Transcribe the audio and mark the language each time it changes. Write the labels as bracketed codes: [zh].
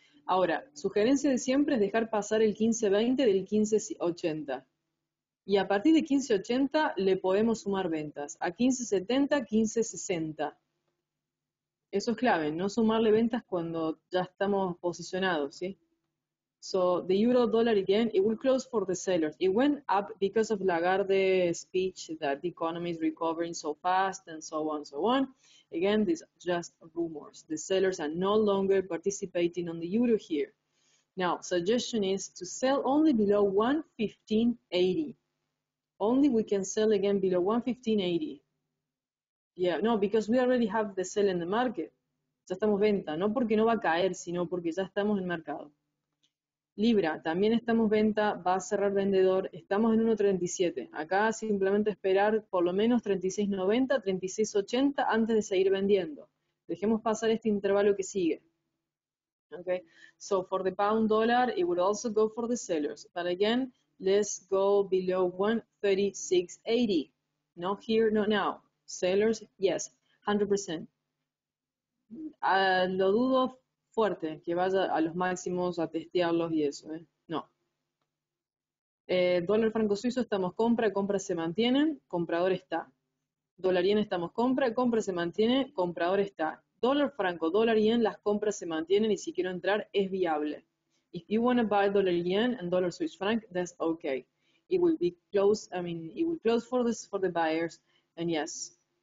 [es] Ahora, sugerencia de siempre es dejar pasar el 15.20 del 15.80. Y a partir de 15.80 le podemos sumar ventas. A 15.70, 15.60. Eso es clave, no sumarle ventas cuando ya estamos posicionados, ¿sí? [en] So, the euro dollar again, it will close for the sellers. It went up because of Lagarde's speech that the economy is recovering so fast and so on, so on. Again, these are just rumors. The sellers are no longer participating on the euro here. Now, suggestion is to sell only below 115.80. Only we can sell again below 115.80. Yeah, no, because we already have the sell in the market. [es] Ya estamos venta, no porque no va a caer, sino porque ya estamos en mercado. Libra, también estamos venta, va a cerrar vendedor, estamos en 1.37. Acá simplemente esperar por lo menos 36.90, 36.80 antes de seguir vendiendo. Dejemos pasar este intervalo que sigue. Okay. [en] So for the pound dollar, it would also go for the sellers. But again, let's go below 136.80. Not here, not now. Sellers, yes, 100%. [es] Lo dudo fuerte, que vaya a los máximos a testearlos y eso, ¿eh? No. Dólar franco suizo estamos compra, compra se mantiene, comprador está. Dólar yen estamos compra, compra se mantiene, comprador está. Dólar franco, dólar yen, las compras se mantienen y si quiero entrar es viable. [en] If you want to buy dollar yen and dollar Swiss franc, that's okay. It will be close, I mean, it will close for the buyers and yes.